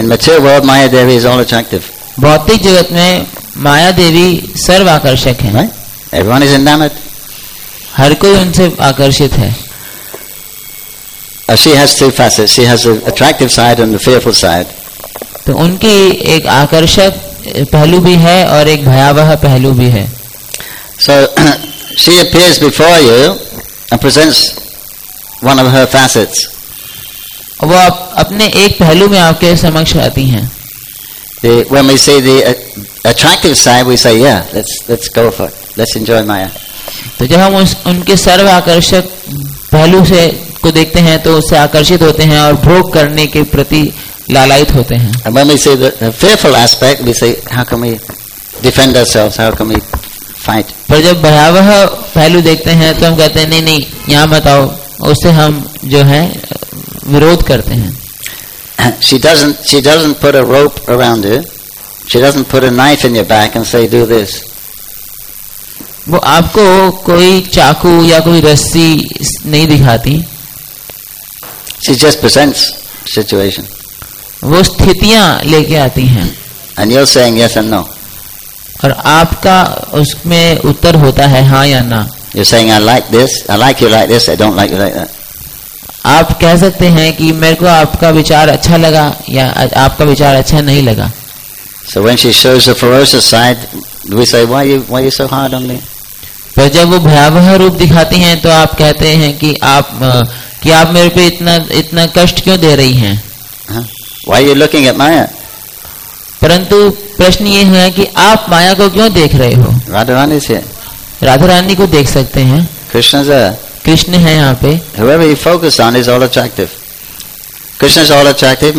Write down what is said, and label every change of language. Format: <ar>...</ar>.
<en>In material world, Maya Devi is all attractive.</en> <hi>Bhautik jagat mein Maya Devi sarv akarshak hai.</hi> <en>Right? Everyone is enamored.</en> <hi>Har koi unse akarshit hai.</hi> <en>She has two facets. She has the attractive side and the fearful side.</en> <hi>तो उनकी एक आकर्षक पहलू भी है और एक भयावह पहलू भी है.</hi> <en>So she appears before you and presents one of her facets.</en> <hi>वो अपने एक पहलू में आपके समक्ष आती हैं.</hi> <en>When we see the attractive side, we say, yeah, let's go for it. Let's enjoy Maya.</en> <hi>तो जब हम उनके सर्व आकर्षक पहलू से को देखते हैं तो उससे आकर्षित होते हैं और भोग करने के प्रति लालायित होते हैं।</hi> <en>And when we say the fearful aspect, we say, how can we defend ourselves? How can we fight?</en> <hi>पर जब भयावह पहलू देखते हैं तो हम कहते हैं नहीं नहीं यहाँ बताओ उससे हम जो है विरोध करते हैं।</hi> <en>She doesn't put a rope around you. She doesn't put a knife in your back and say, do this.</en> <hi>वो आपको कोई चाकू या कोई रस्सी नहीं दिखाती।</hi> <en>She just presents situation.</en> <hi>वो स्थितियाँ लेके आती हैं।</hi> <en>And you're saying yes and no.</en> <hi>और आपका उसमें उत्तर होता है हाँ या ना।</hi> <en>You're saying I like this, I like you like this, I don't like you like that.</en> <hi>आप कह सकते हैं कि मेरे को आपका विचार अच्छा लगा या आपका विचार अच्छा नहीं लगा।</hi> <en>So when she shows a ferocious side, we say, why are you so hard on me?</en> <hi>पर जब वो भयावह रूप दिखाती हैं, तो आप कहते हैं कि आप मेरे पे इतना कष्ट क्यों दे रही हैं? Huh?</hi> <en>Why are you looking at Maya?</en> <hi>परंतु प्रश्न ये है कि आप माया को क्यों देख रहे हो? राधारानी से? राधारानी को देख सकते हैं। कृष्ण से? कृष्ण है यहाँ पे।</hi> <en>Whoever you focus on is all attractive. Krishna is all attractive.</en>